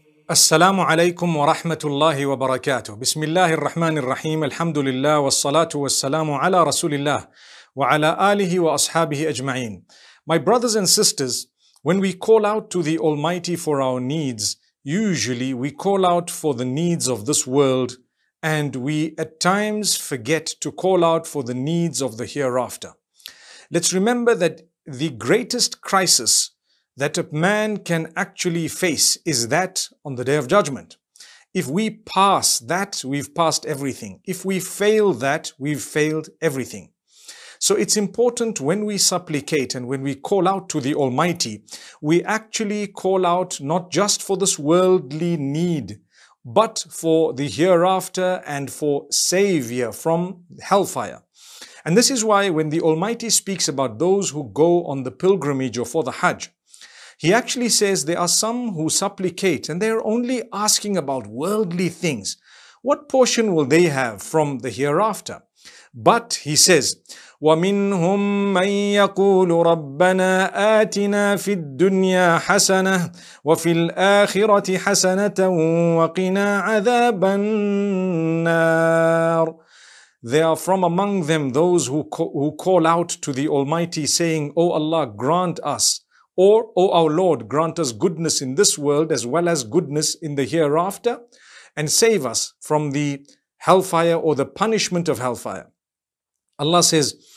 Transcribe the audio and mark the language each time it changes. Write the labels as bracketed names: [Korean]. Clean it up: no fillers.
[Arabic] السلام عليكم ورحمة الله وبركاته. بسم الله الرحمن الرحيم. الحمد لله والصلاة والسلام على رسول الله وعلى آله وأصحابه أجمعين. [English] My brothers and sisters, when we call out to the Almighty for our needs, usually we call out for the needs of this world, and we at times forget to call out for the needs of the hereafter. Let's remember that the greatest crisis that a man can actually face is that on the Day of Judgment. If we pass that, we've passed everything. If we fail that, we've failed everything. So it's important when we supplicate and when we call out to the Almighty, we actually call out not just for this worldly need, but for the hereafter and for savior from hellfire. And this is why when the Almighty speaks about those who go on the pilgrimage or for the Hajj, He actually says there are some who supplicate and they're only asking about worldly things. What portion will they have from the hereafter? But He says, [Arabic] وَمِنْهُمْ مَنْ يَقُولُ رَبَّنَا آتِنَا فِي الدُّنْيَا حَسَنَةً وَفِي الْآخِرَةِ حَسَنَةً وَقِنَا عَذَابَ النَّارِ. [English] They are from among them those who call out to the Almighty saying, O Allah, grant us, or O our Lord, grant us goodness in this world as well as goodness in the hereafter, and save us from the hellfire or the punishment of hellfire. Allah says,